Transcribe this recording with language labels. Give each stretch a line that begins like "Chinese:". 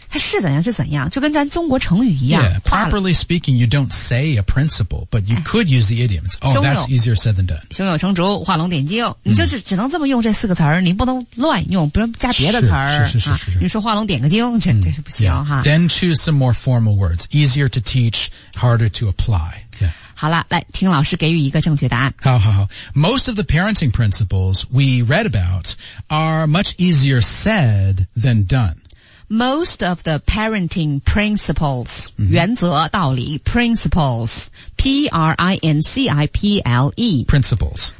Chinese: 它是怎样是怎样，就跟咱中国成语一样。
English: Yeah, properly speaking, you don't say a principle, but you could use the idiom. Oh, that's easier said than done.
Chinese: 胸有成竹，画龙点睛，你就只能这么用这四个词儿，你不能乱用，不能加别的词儿。是你说画龙点个睛，这是不行哈。
English: Then choose some more formal words, easier to teach, harder to apply. Yeah.
Chinese: 好了，来听老师给予一个正确答案。好好好。
English: Most of the parenting principles we read about are much easier said than done. Most of the parenting principles,、mm-hmm.
Chinese: 原则道理 principles, P-R-I-N-C-I-P-L-E.
English: Principles.